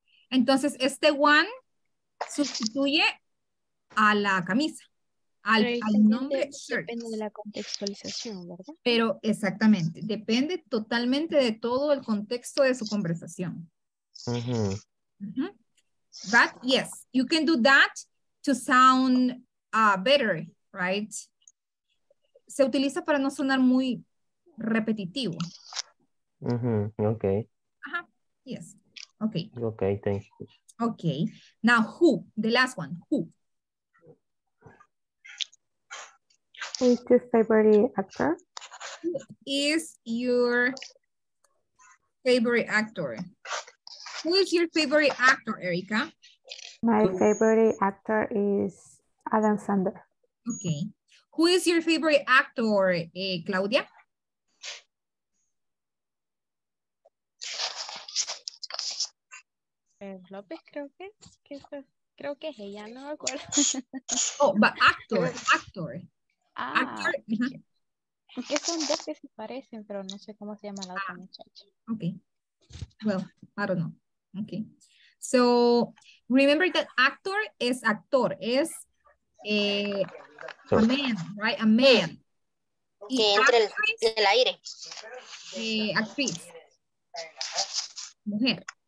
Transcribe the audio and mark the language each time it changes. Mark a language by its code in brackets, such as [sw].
[es] Entonces, este one sustituye a la camisa, al nombre shirt. Depende de la contextualización, ¿verdad? Pero exactamente, depende totalmente de todo el contexto de su conversación. Uh-huh. [en] Uh-huh. But yes, you can do that to sound better, right? [es] Se utiliza para no sonar muy repetitivo. [en] Uh-huh. Okay. Ajá, uh-huh. Yes. Okay. Okay, thank you. Okay, now who? The last one, who? Who's your favorite actor? Who is your favorite actor? Who is your favorite actor, Erica? My favorite actor is Adam Sandler. Okay. Who is your favorite actor, Claudia? [es] López, creo que es ella, no me acuerdo. [en] Oh, but actor, actor. Ah, actor. [es] Es que son dos que se parecen, pero no sé cómo se llama la otra muchacha. [en] Ok. Well, I don't know. Ok. So, remember that actor [es] es actor, es [en] a man, right? A man. [es] Que entre el aire. Actriz. Mujer.